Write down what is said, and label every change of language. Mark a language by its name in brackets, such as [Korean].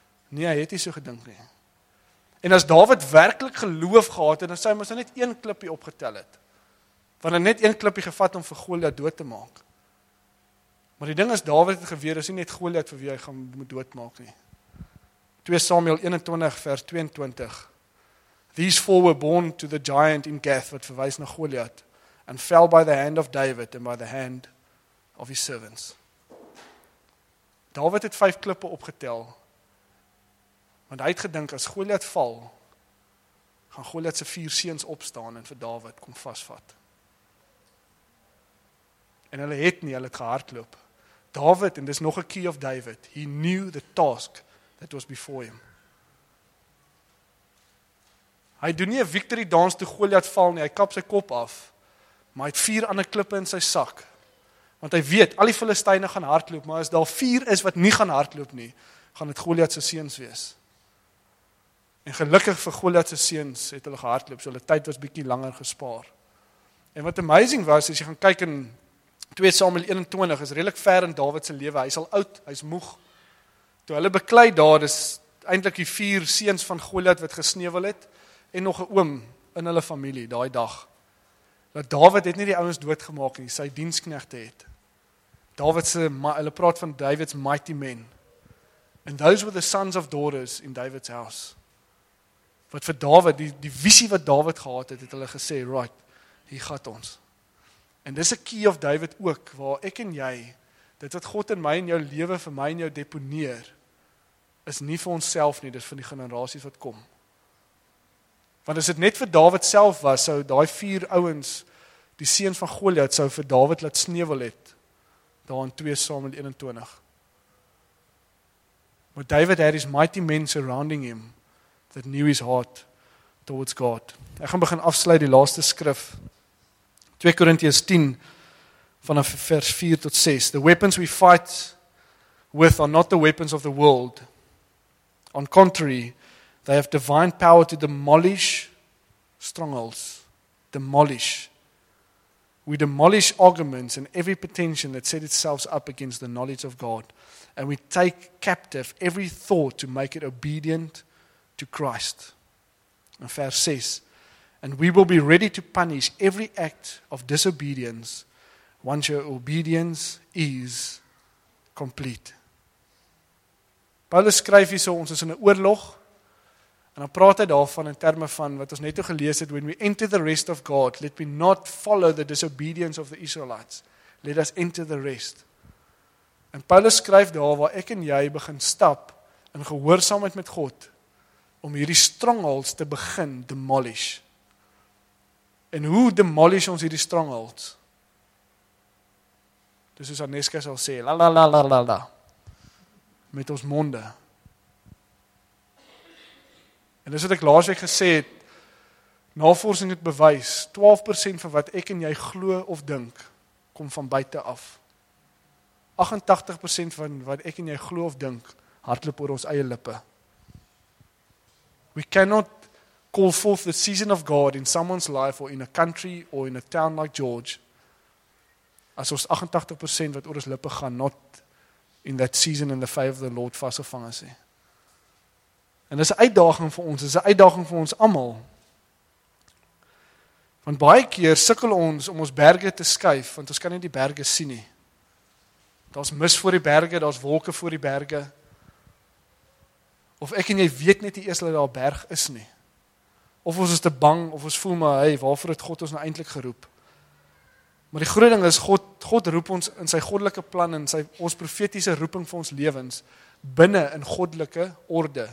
[Afrikaans] Nee, hy het nie so gedink nie. En as Dawid werklik geloof gehad het, dan sou hy mos net 1 klippie opgetel het. Want hy net 1 klippie gevat om vir Goliat dood te maak. Maar die ding is Dawid het geweet, is nie net Goliat vir wie hy gaan moet doodmaak nie. 2 Samuel 21 vers 22. [English] These 4 were born to the giant in Gath, [Afrikaans] wat verwys na Goliat, [English] and fell by the hand of David and by the hand of his servants. [Afrikaans] Dawid het 5 klippe opgetel, want hy het gedink, as Goliat val, gaan Goliat se 4 seuns opstaan, en vir Dawid kom vasvat. En hulle het nie, hulle het gehardloop. Dawid, en dis nog 'n [English] key of David, he knew the task that was before him. [Afrikaans] Hy doen nie 'n victory dance toe Goliat val nie, hy kap sy kop af, maar hy het 4 ander klippe in sy sak, want hy weet, al die Filistyne gaan hardloop, maar as daar 4 is wat nie gaan hardloop nie, gaan dit Goliat se seuns wees. En gelukkig vir Goliat se seuns het hulle gehardloop, so hulle tyd was bietjie langer gespaar. En wat amazing was, as jy gaan kyk in 2 Samuel 21, is redelik ver in Dawid se lewe, hy is al oud, hy is moeg. Toe hulle beklei daar, is eintlik die 4 seuns van Goliat wat gesneuwel het, en nog 'n oom in hulle familie daai dag. Dat Dawid het nie die ouens doodgemaak nie, sy diensknegte het. Hulle praat van [English] David's mighty men. And those were the sons of daughters in David's house. [Afrikaans] Wat vir Dawid, die visie wat Dawid gehad het, het hulle gesê, right, hier gaat ons. En dis 'n key of David ook, waar ek en jy, dit wat God in my en jou lewe vir my en jou deponeer, is nie vir onsself nie, dis vir die generaties wat kom. Want as dit net vir Dawid self was, sou daai 4 ouens, die seuns van Goliat, sou vir Dawid laat sneuwel het, daar in 2 Samuel 21. [English] Maar David had his mighty men surrounding him, that knew his heart towards God. [Afrikaans] Ek gaan begin afsluit die laaste skrif, 2 Korintiërs 10, vanaf vers 4 tot 6. [English] The weapons we fight with are not the weapons of the world. On contrary, they have divine power to demolish strongholds. Demolish. We demolish arguments and every pretension that set itself up against the knowledge of God. And we take captive every thought to make it obedient to Christ. And verse 6. And we will be ready to punish every act of disobedience once your obedience is complete. [Afrikaans] Paulus skryf hierso, ons is in 'n oorlog. En dan praat hy daarvan in terme van wat ons net toe gelees het, [English] when we enter the rest of God, let me not follow the disobedience of the Israelites. Let us enter the rest. [Afrikaans] En Paulus skryf daar waar ek en jy begin stap in gehoorsaamheid met God, om hierdie strongholds te begin demolish. En hoe demolish ons hierdie strongholds? Dis soos Aneska sal sê, la la la la la la, met ons monde. En dis wat ek laasweek gesê het, navorsing het bewys, 12% van wat ek en jy glo of dink, kom van buite af. 88% van wat ek en jy glo of dink, hardloop oor ons eie lippe. [English] We cannot call forth the season of God in someone's life or in a country or in a town like George [Afrikaans] as ons 88% wat oor ons lippe gaan [English] not in that season in the favor of the Lord [Afrikaans] vasgevang is. En dis 'n uitdaging vir ons, dis 'n uitdaging vir ons almal. Want baie keer sukkel ons om ons berge te skuif, want ons kan nie die berge sien nie. Daar's mis voor die berge, daar's wolke voor die berge. Of ek en jy weet net nie eers dat daar 'n berg is nie. Of ons is te bang, of ons voel maar, hey, waarvoor het God ons nou eintlik geroep? Maar die groot ding is, God roep ons in sy goddelike plan, in sy ons profetiese roeping vir ons lewens, binne in goddelike orde.